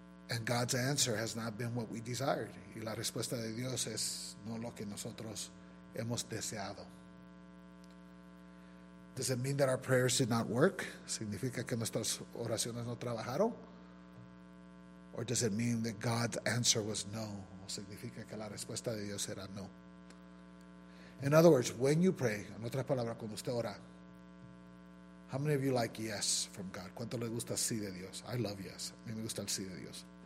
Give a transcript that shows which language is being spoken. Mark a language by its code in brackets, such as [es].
[en] And God's answer has not been what we desired. [es] Y la respuesta de Dios es no lo que nosotros hemos deseado. [en] Does it mean that our prayers did not work? [es] ¿Significa que nuestras oraciones no trabajaron? [en] Or does it mean that God's answer was no? [es] ¿O significa que la respuesta de Dios era no? [en] In other words, when you pray, [es] en otras palabras, cuando usted ora, [en] how many of you like yes from God? [es] ¿Cuánto le gusta sí de Dios? [en] I love yes. [es] A mí me gusta el sí de Dios.